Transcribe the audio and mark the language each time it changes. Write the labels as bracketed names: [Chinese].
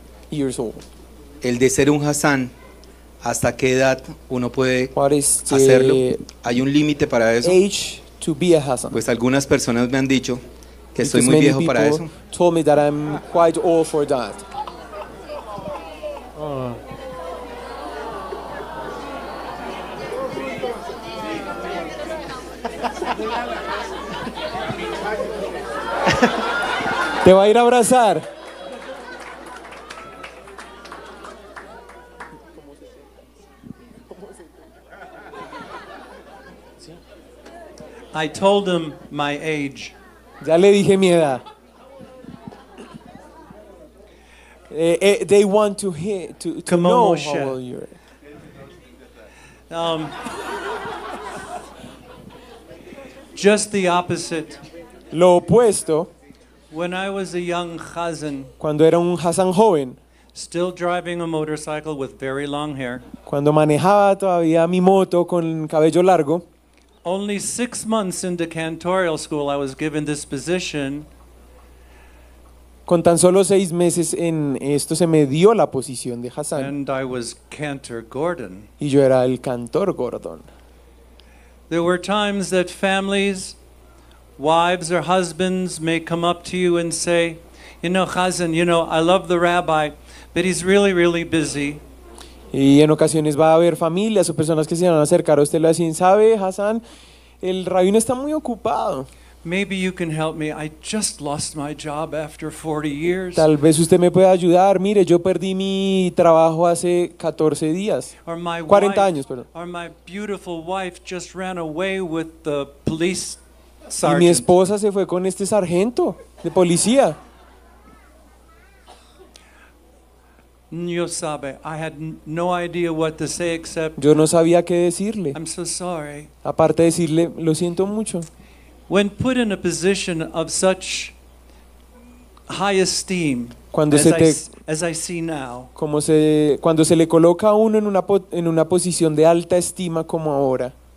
[Spanish] El de ser un hasán, ¿hasta qué edad uno puede hacerlo? ¿Hay un límite para eso? [English] Age to be a hasán. [Spanish] Pues algunas personas me han dicho que estoy muy viejo para eso. [English] Told me that I'm quite old for that. [Spanish] Te va a ir a abrazar. [English] I told him my age. [Spanish] Ya le dije mi edad. [English] They want to hear to know Moshe. How old you are. Just the opposite. [Spanish] Lo opuesto. [English] When I was a young Hazan, [Spanish] cuando era un Hazan joven, [English] still driving a motorcycle with very long hair, [Spanish] cuando manejaba todavía mi moto con cabello largo, [English] only 6 months into cantorial school I was given this position. [Spanish] Con tan solo 6 meses en esto se me dio la posición de Hazan. [English] And I was cantor Gordon. [Spanish] Y yo era el cantor Gordon. [English] There were times that families, wives or husbands may come up to you and say, you know, Hazan, you know, I love the rabbi, but he's really, really busy. [Spanish] Y en ocasiones va a haber familias o personas que se van a acercar a usted y le dicen, ¿sabe, Hazan? El rabino está muy ocupado. [English] Maybe you can help me. I just lost my job after 40 years. [Spanish] Tal vez usted me pueda ayudar. Mire, yo perdí mi trabajo hace 14 días. 40 años, perdón. [English] Or my beautiful wife just ran away with the police sergeant. [Spanish] Y mi esposa se fue con este sargento de policía. Yo sabe, [English] I had no idea what to say except. [Spanish] Yo no sabía qué decirle. [English] I'm so sorry. [Spanish] Aparte de decirle, lo siento mucho. [English] When put in a position of such high esteem, [Spanish] cuando se te, [English] as I see now, [Spanish] como se, cuando se le coloca a uno en una posición de alta estima como ahora,